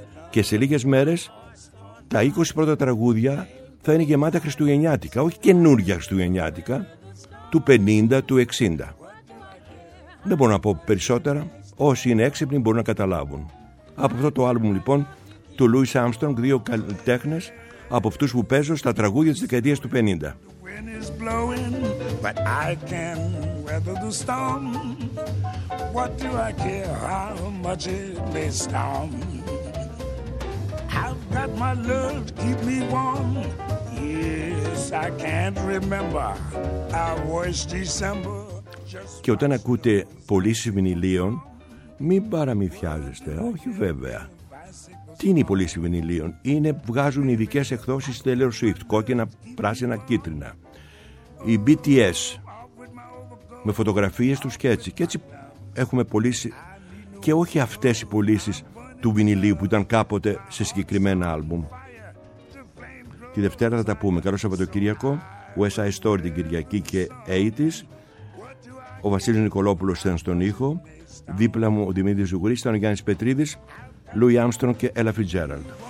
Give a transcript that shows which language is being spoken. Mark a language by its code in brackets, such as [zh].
[el] Και σε λίγες μέρες τα 20 πρώτα τραγούδια θα είναι γεμάτα χριστουγεννιάτικα, όχι καινούργια χριστουγεννιάτικα, του 50, του 60. Δεν μπορώ να πω περισσότερα, όσοι είναι έξυπνοι μπορούν να καταλάβουν. Από αυτό το άλμπουμ λοιπόν του Louis Armstrong, δύο καλλιτέχνες από αυτούς που παίζω στα τραγούδια της δεκαετίας του 50. [en] But I can weather the storm. What do I care how much it may storm? I've got my love to keep me warm. Yes, I can't remember our worst December. [el] Και όταν ακούτε πωλήσεις βινιλίων, μην παραμυθιάζεστε. Όχι βέβαια. Τι είναι οι πωλήσεις βινιλίων? Είναι, βγάζουν ειδικές εκδόσεις Taylor Swift, κόκκινα, πράσινα, κίτρινα. Οι BTS με φωτογραφίες τους και έτσι. Και έτσι έχουμε πωλήσει, και όχι αυτές οι πωλήσεις του βινιλίου που ήταν κάποτε σε συγκεκριμένα άλμπουμ. Τη Δευτέρα θα τα πούμε. Καλό Σαββατοκύριακο. West Side Story την Κυριακή και 80's. Ο Βασίλης Νικολόπουλος ήταν στον ήχο. Δίπλα μου ο Δημήτρης Ζουγουρής, ήταν ο Γιάννης Πετρίδης, Louis Armstrong και Ella Fitzgerald.